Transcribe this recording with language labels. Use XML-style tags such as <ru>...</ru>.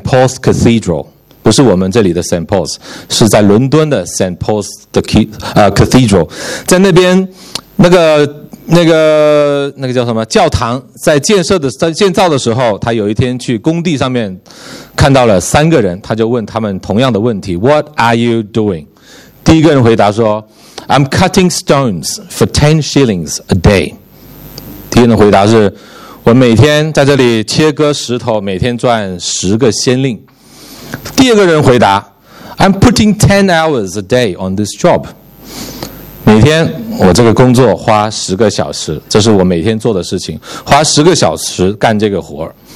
<zh>Paul's Cathedral， 不是我们这里的 St. Paul's， 是在伦敦的 St. Paul's Cathedral。在那边那个叫什么教堂，在建造的时候，他有一天去工地上面看到了三个人，他就问他们同样的问题，</zh> <en>What are you doing？</en> <zh>第一个人回答说</zh> <en>I'm cutting stones for 10 shillings a day。</en> <zh>第一个人回答是我每天在这里切割石头，每天赚十个先令。第二个人回答</zh> <en>I'm putting 10 hours a day on this job，</en> <zh>每天我这个工作花十个小时，这是我每天做的事情，花十个小时干这个活。</zh>